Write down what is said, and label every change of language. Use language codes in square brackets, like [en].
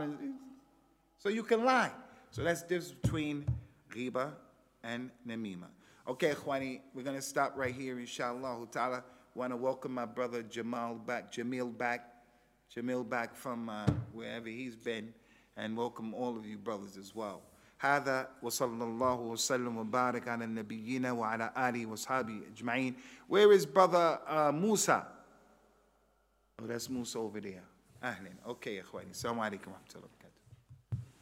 [en] And so you can lie. So that's the difference between ghiba and namima. Okay, Khwani, we're going to stop right here, inshallah ta'ala. Want to welcome my brother Jamil back. Jamil back from wherever he's been, and welcome all of you brothers as well. [ar] هذا وصلى الله وسلم وبارك على النبيين وعلى آله وصحابه أجمعين. [en] Where is brother موسى? Oh, that's موسى over there. [ar] أهلين. Okay, يا أخواني. السلام عليكم ورحمة الله وبركاته.